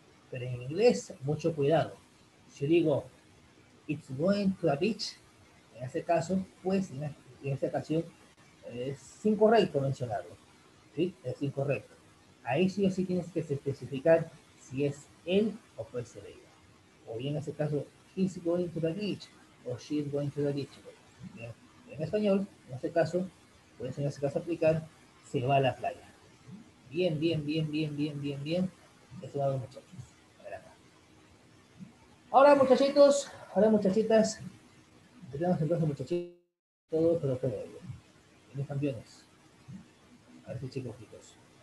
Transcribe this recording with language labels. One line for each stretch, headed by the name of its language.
Spanish: Pero en inglés, mucho cuidado. Si digo,
English: it's going to a beach,
Spanish: en este caso, pues, en esta ocasión, es incorrecto mencionarlo. ¿Sí? Es incorrecto. Ahí sí o sí tienes que especificar si es él o puede ser ella. O bien, en este caso,
English: he's going to the beach, o she's going to the beach.
Spanish: Bien. En español, en este caso, puedes en este caso aplicar, se va a la playa. Bien, bien, bien, bien, bien, bien, bien. Eso va a ver, muchachos. Ahora, muchachitos, hola, muchachitas. Tenemos entonces, muchachitos, todos, pero que veo. Mis campeones. A ver si, chicos, chicos.